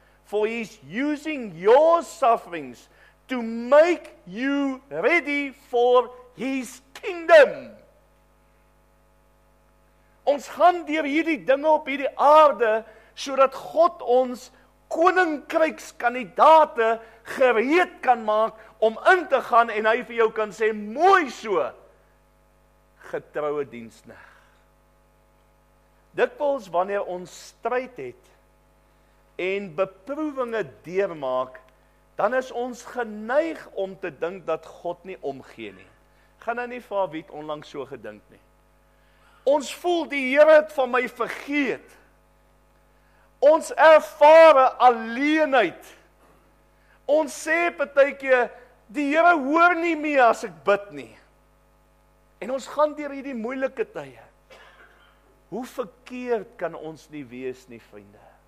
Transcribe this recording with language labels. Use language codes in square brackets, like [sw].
[en] For he's using your sufferings to make you ready for his kingdom. [af] Ons gaan deur hierdie dinge op hierdie aarde, sodat God ons koninkrykskandidate gereed kan maak om in te gaan en hy vir jou kan sê, mooi so, getroue diensknegt. Dikwels wanneer ons stryd het en beproewinge deurmaak, dan is ons geneig om te dink dat God nie omgee nie. Gaan nou nie vir wie het onlangs so gedink nie. Ons voel die Here het van my vergeet. Ons ervaar alleenheid. Ons sê partykeer, die Here hoor nie meer as ek bid nie. En ons gaan deur hierdie moeilike tye. Hoe verkeerd kan ons nie wees nie, vriende?